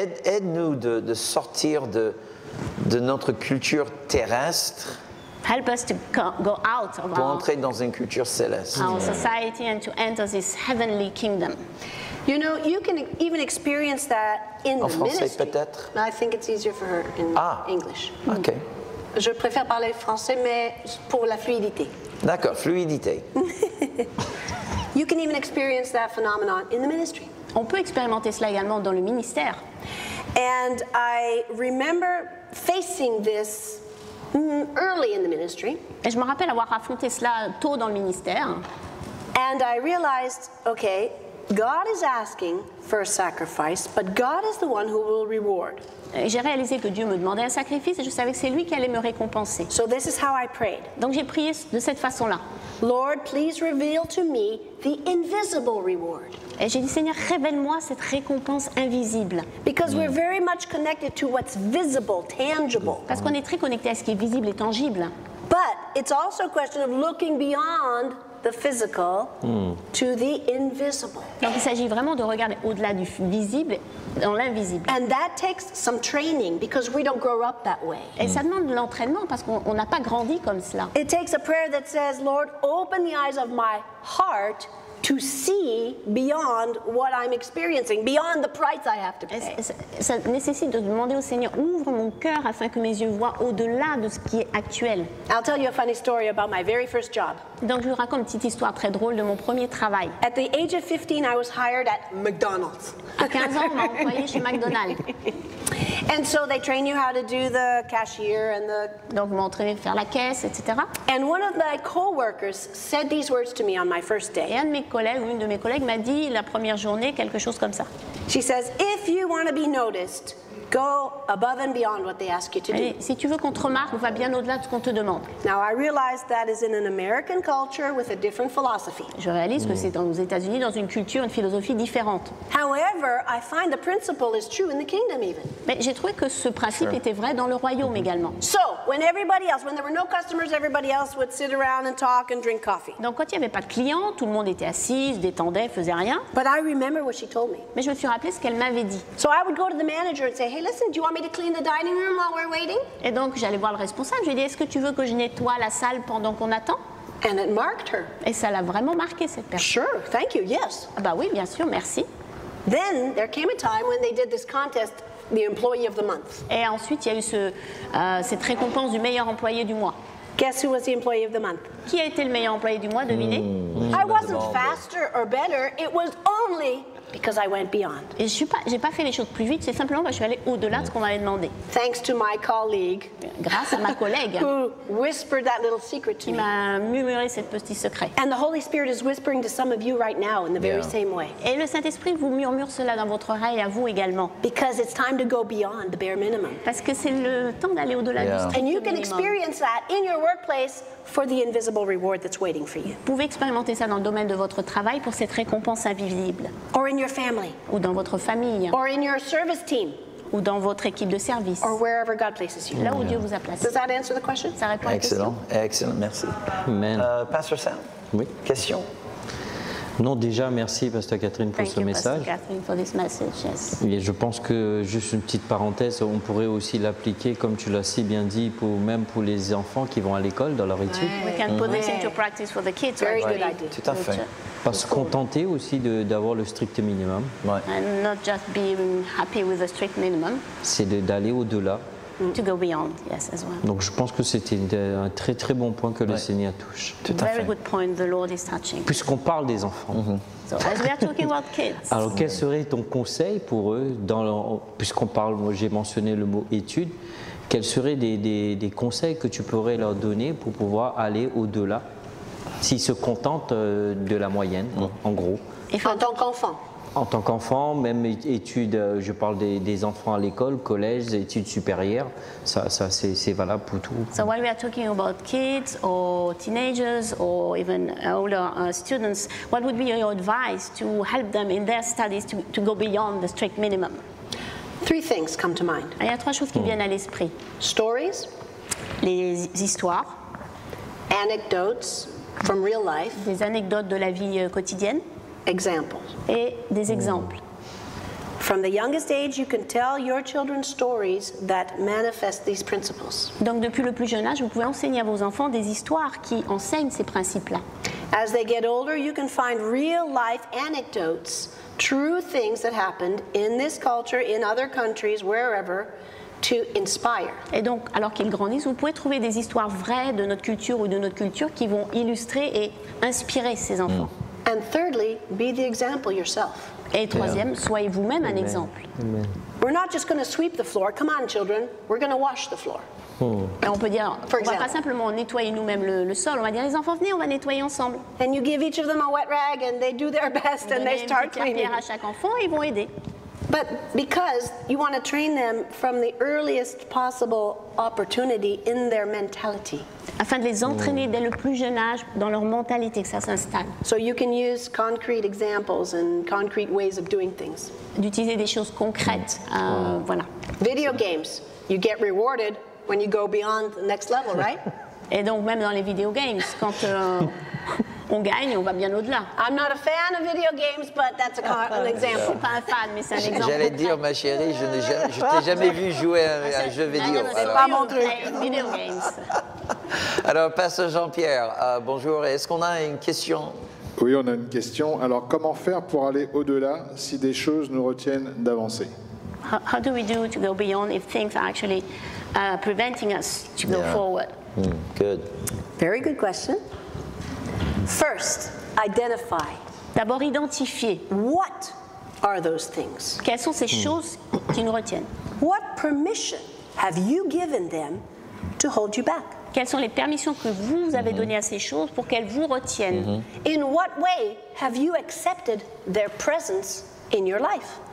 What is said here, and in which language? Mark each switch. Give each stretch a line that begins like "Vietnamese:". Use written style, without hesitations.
French: Aide-nous de sortir de notre culture terrestre.
English: Help us to go out of
French: pour entrer dans une culture céleste.
English: Our society and to enter this heavenly kingdom. You know, you can even experience that in the
French: français,
English: ministry.
French: Peut-être.
English: I think it's easier for her in English. Okay.
French: Je préfère parler français, mais pour la fluidité. D'accord, fluidité.
English: You can even experience that phenomenon in the ministry.
French: On peut expérimenter cela également dans le ministère.
English: And I remember facing this early in the ministry.
French: Et je me rappelle avoir affronté cela tôt dans le ministère.
English: And I realized, okay, God is asking for a sacrifice, but God is the one who will reward.
French: Et j'ai réalisé que Dieu me demandait un sacrifice et je savais que c'est lui qui allait me récompenser.
English: So this is how I prayed.
French: Donc j'ai prié de cette façon-là.
English: Lord, please reveal to me the invisible reward.
French: Et j'ai dit, Seigneur, révèle-moi cette récompense invisible.
English: Because we're very much connected to what's visible, tangible.
French: Parce qu'on est très connecté à ce qui est visible et tangible.
English: But it's also a question of looking beyond the physical to the invisible.
French: Donc il s'agit vraiment de regarder au-delà du visible dans l'invisible.
English: And that takes some training because we don't grow up that way.
French: Et ça demande de l'entraînement parce qu'on n'a pas grandi comme cela.
English: It takes a prayer that says, Lord, open the eyes of my heart to see beyond what I'm experiencing, beyond the price I have to pay.
French: Ça nécessite de demander au Seigneur, ouvre mon cœur afin que mes yeux voient au-delà de ce qui est actuel.
English: I'll tell you a funny story about my very first job.
French: Donc je vous raconte une petite histoire très drôle de mon premier travail.
English: At the age of 15, I was hired at McDonald's.
French: À 15 ans, on m'a employé chez McDonald's.
English: And so they train you how to do the cashier and the...
French: Donc vous m'entraînez à faire la caisse, etc.
English: And one of my co-workers said these words to me on my first day.
French: Et une de mes collègues m'a dit la première journée quelque chose comme ça.
English: She says, if you want to be noticed, go above and beyond what they ask you to do.
French: Allez, si tu veux qu'on te remarque, va bien au-delà de ce qu'on te demande.
English: Now I realize that is in an American culture with a different philosophy.
French: Je réalise que c'est aux États-Unis dans une culture, une philosophie différente.
English: However, I find the principle is true in the kingdom even.
French: Mais j'ai trouvé que ce principe était vrai dans le royaume également.
English: So, when everybody else, when there were no customers, everybody else would sit around and talk and drink coffee.
French: Donc quand il n'y avait pas de clients, tout le monde était assis, détendait, faisait rien.
English: But I remember what she told me.
French: Mais je me suis rappelé ce qu'elle m'avait dit.
English: So I would go to the manager and say, hey, listen, do you want me to clean the dining room while we're waiting?
French: Et donc j'allais voir le responsable, je lui ai dit, est-ce que tu veux que je nettoie la salle pendant qu'on attend?
English: And it marked her.
French: Et ça l'a vraiment marqué cette personne.
English: Sure, thank you. Yes.
French: Ah bah oui, bien sûr, merci.
English: Then there came a time when they did this contest, the employee of the month.
French: Et ensuite, il y a eu cette récompense du meilleur employé du mois.
English: Guess who was the employee of the month?
French: Qui a été le meilleur employé du mois, devinez?
English: I wasn't faster or better, it was only because I went beyond.
French: Et j'ai pas fait les choses plus vite, c'est simplement parce que je suis allée au-delà de ce qu'on m'avait demandé.
English: Thanks to my colleague,
French: grâce à ma collègue,
English: who whispered that little secret to
French: qui
English: me.
French: M'a murmuré cette petite secret.
English: And the Holy Spirit is whispering to some of you right now in the very same way.
French: Et le Saint-Esprit vous murmure cela dans votre oreille à vous également.
English: Because it's time to go beyond the bare minimum.
French: Parce que c'est le temps d'aller au-delà du strict minimum.
English: And you can experience that in your workplace for the invisible reward that's waiting for you.
French: Vous pouvez expérimenter ça dans le domaine de votre travail pour cette récompense invisible.
English: Or in your family.
French: Ou dans votre famille.
English: Or in your service team.
French: Ou dans votre équipe de service.
English: Or wherever God places you.
French: Là où Dieu vous a placé.
English: Does that answer the question?
French: Ça répond à la question. Excellent. Excellent. Merci. Amen. Pasteur Sam. Oui. Question. Non, déjà, merci, Pasteur Kathryn, pour
English: Thank you, message. Pasteur Kathryn, for this message,
French: Et je pense que, juste une petite parenthèse, on pourrait aussi l'appliquer, comme tu l'as si bien dit, pour, même pour les enfants qui vont à l'école dans leur étude.
English: We can put this into practice for the kids. Very good idea.
French: Tout à fait. Parce que contenter aussi d'avoir le strict minimum. Ouais.
English: And not just be happy with the strict minimum.
French: C'est d'aller au-delà.
English: To go beyond, yes, as well.
French: Donc je pense que c'était un très très bon point que le Seigneur touche. Tout à
English: Very
French: fait.
English: Good point the Lord is touching.
French: Puisqu'on parle des enfants.
English: Mm-hmm. So, as we are talking about kids.
French: Alors quel serait ton conseil pour eux, puisqu'on parle, moi j'ai mentionné le mot étude, quels seraient des conseils que tu pourrais leur donner pour pouvoir aller au-delà, s'ils se contentent de la moyenne, en gros. En tant qu'enfant. En tant qu'enfant, même études, je parle des enfants à l'école, collège, études supérieures, ça c'est valable pour tout.
English: So while we are talking about kids or teenagers or even older students, what would be your advice to help them in their studies to go beyond the strict minimum? Three things come to mind.
French: Il y a trois choses qui viennent à l'esprit.
English: Stories.
French: Les histoires.
English: Anecdotes from real life.
French: Des anecdotes de la vie quotidienne.
English: Examples.
French: Et des exemples.
English: From the youngest age, you can tell your children stories that manifest these principles.
French: Donc depuis le plus jeune âge, vous pouvez enseigner à vos enfants des histoires qui enseignent ces principes-là.
English: As they get older, you can find real life anecdotes, true things that happened in this culture, in other countries, wherever, to inspire.
French: Et donc, alors qu'ils grandissent, vous pouvez trouver des histoires vraies de notre culture ou de notre culture qui vont illustrer et inspirer ces enfants.
English: And thirdly, be the example yourself.
French: Et troisième, soyez vous-même un exemple. Amen.
English: We're not just going to sweep the floor. Come on, children. We're going to wash the floor.
French: Et on peut dire, on va pas simplement nettoyer nous-mêmes le sol. On va dire, les enfants, venez, on va nettoyer ensemble.
English: And you give each of them a wet rag, and they do their best, and they start cleaning.
French: Donnez une pierre à chaque enfant, et ils vont aider.
English: But because you want to train them from the earliest possible opportunity in their mentality.
French: Afin de les entraîner dès le plus jeune âge dans leur mentalité, que ça s'installe.
English: So you can use concrete examples and concrete ways of doing things.
French: D'utiliser des choses concrètes, voilà.
English: Video games, you get rewarded when you go beyond the next level, right?
French: Et donc même dans les video games, quand on gagne, on va bien au-delà.
English: I'm not a fan of video games, but that's an example.
French: Je suis pas un fan, mais c'est un exemple. J'allais dire, ma chérie, je n'ai jamais, je t'ai jamais vu jouer à un jeu vidéo. Non, c'est pas mon truc.
English: Video games.
French: Alors, Pasteur Jean-Pierre, bonjour. Est-ce qu'on a une question? Oui, on a une question. Alors, comment faire pour aller au-delà si des choses nous retiennent d'avancer?
English: How do we do to go beyond if things are actually preventing us to go forward? Good. Very good question. First, identify.
French: D'abord, identifier.
English: What are those things?
French: Quelles sont ces choses qui nous retiennent?
English: What permission have you given them to hold you back?
French: Quelles sont les permissions que vous avez données à ces choses pour qu'elles vous retiennent?
English: In what way have you accepted their presence in your life?